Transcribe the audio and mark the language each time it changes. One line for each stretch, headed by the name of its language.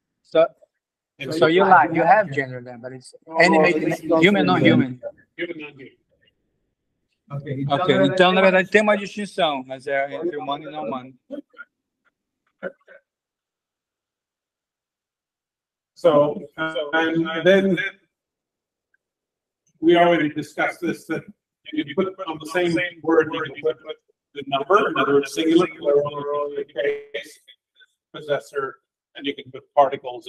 English: So you have gender then, but it's animated, human, not human. Human, not human. Okay.
Portuguese: Então, na verdade, tem uma distinção, mas é entre humano e não humano.
English: So, and then we already discussed this, that you put on the same word, you can put the number, in other words, singular, plural, case, possessor, and you can put particles,